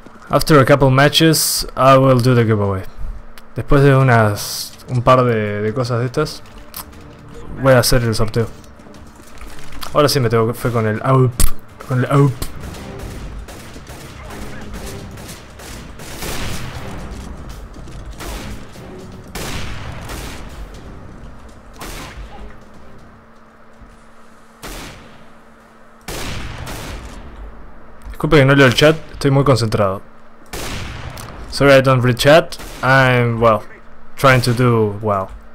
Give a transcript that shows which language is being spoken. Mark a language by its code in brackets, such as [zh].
[en] After a couple matches, I will do the giveaway. [es] Después de unas... un par de cosas de estas, voy a hacer el sorteo. Ahora sí me tengo que... fue con el... AWP. Con el AWP. Disculpe que no leo el chat, estoy muy concentrado. [en] Sorry I don't read chat, I'm, well, trying to do well.